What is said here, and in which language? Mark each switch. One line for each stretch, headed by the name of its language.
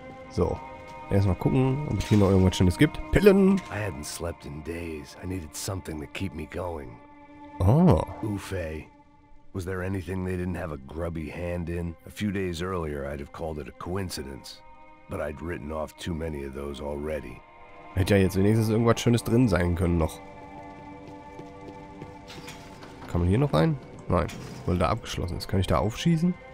German: So. Erstmal gucken, ob es hier noch irgendwas Schönes gibt.
English: Pillen! I hadn't slept in days. I needed something to keep me going. Oh. Ufei. Was there anything they didn't have a grubby hand in? A few days earlier I'd have called it a coincidence. But I'd written off too many of those already.
German: Hätte ja jetzt wenigstens irgendwas Schönes drin sein können noch. Kann man hier noch rein? Nein. Weil da abgeschlossen ist. Kann ich da aufschießen?